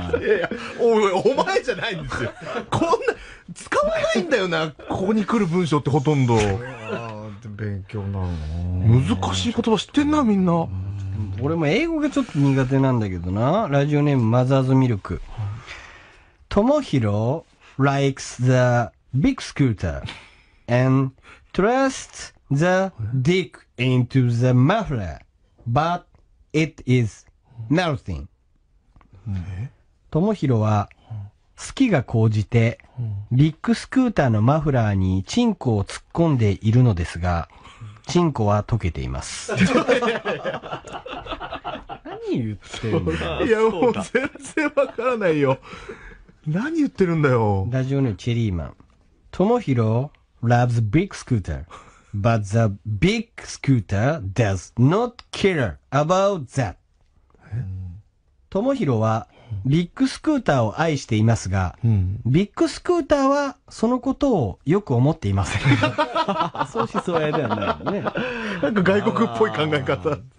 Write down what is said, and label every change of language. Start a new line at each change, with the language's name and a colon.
Japanese: いやいや、お前じゃないんですよ。こんな使わないんだよな。ここに来る文章ってほとんど。勉強なの。難しい言葉知ってんな、みんな。俺も英語がちょっと苦手なんだけどな。ラジオネーム、マザーズミルク。
English: ともひろ likes the big scooter. And thrust the dick into the muffler, but it is nothing.
Japanese: ともひろは好きが高じてビッグスクーターのマフラーにチンコを突っ込んでいるのですが、チンコは溶けています。何言ってるんだ。いやもう全然わからないよ。何言ってるんだよ。ラジオネームチェリーマン。
English: ともひろloves big scooter, but the big scooter does not care about that.
Japanese: ともひろはビッグスクーターを愛していますが、ビッグスクーターはそのことをよく思っていません。そうしそうやではないね。なんか外国っぽい考え方。